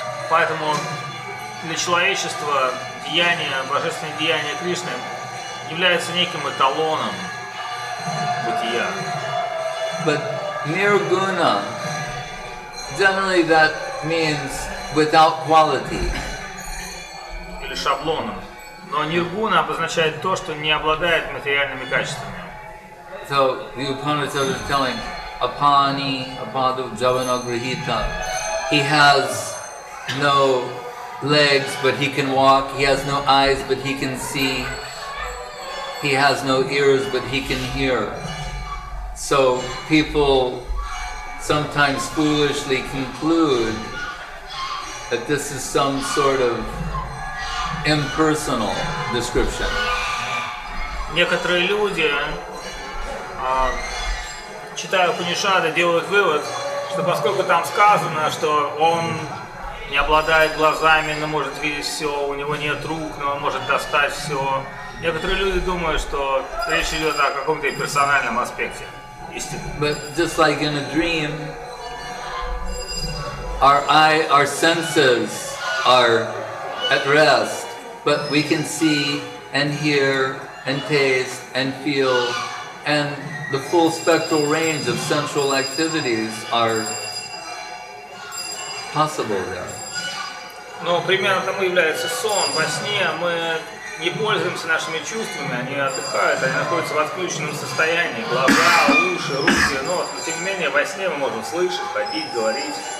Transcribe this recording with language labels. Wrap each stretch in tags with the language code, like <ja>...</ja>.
<ru>Поэтому для человечества деяния, божественные деяния Кришны являются неким эталоном бытия.</ru> <en>But nirguna, generally that means without quality.</en> <ru>Или шаблоном. Но nirguna обозначает то, что не обладает материальными качествами.</ru> <en>So the Upanishad is telling</en> <sa>Apani, Apadu, Javana, Grihita.</sa> <en>He has no legs, but he can walk. He has no eyes, but he can see. He has no ears, but he can hear. So people sometimes foolishly conclude that this is some sort of impersonal description.</en> <ru>Некоторые люди, читая Упанишады, делают вывод, что поскольку там сказано, что он не обладает глазами, но может видеть все, у него нет рук, но он может достать все. Некоторые люди думают, что речь идет о каком-то персональном аспекте истины.</ru> <en>But just like in a dream, our eye, our senses are at rest, but we can see and hear and taste and feel and the full spectral range of sensual activities are possible there.</en> <ru>Но примерно тому является сон. Во сне мы не пользуемся нашими чувствами, они отдыхают, они находятся в отключенном состоянии. Глаза, уши, руки, нос. Но тем не менее, во сне мы можем слышать, ходить, говорить.</ru>